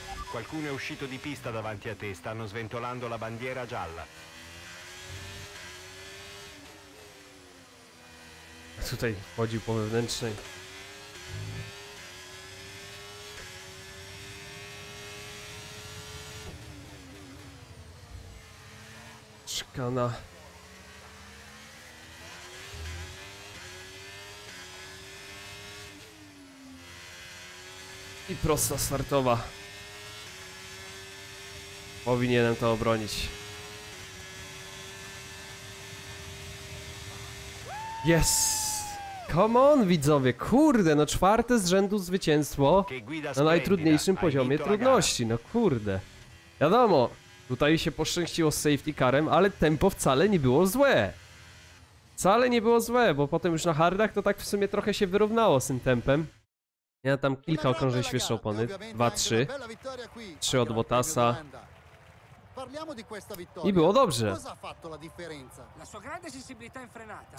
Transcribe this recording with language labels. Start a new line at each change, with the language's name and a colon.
Italian: Qualcuno è uscito di pista davanti a te, stanno sventolando la bandiera gialla.
Polish: Tutaj chodzi po wewnętrznej. Szkana. I prosta startowa. Powinienem to obronić.
English: Yes! Come on,
Polish: widzowie! Kurde, no czwarte z rzędu zwycięstwo na najtrudniejszym poziomie trudności. No kurde. Wiadomo, tutaj się poszczęściło z safety carem, ale tempo wcale nie było złe. Wcale nie było złe, bo potem już na hardach to tak w sumie trochę się wyrównało z tym tempem. Ja tam kilka okrążeń świeższe opony. 2-3. 3 od Bottasa.
Italian: Parliamo di questa vittoria.
Polish: I było dobrze.
Italian: Cosa ha fatto la differenza? La sua grande sensibilità in frenata.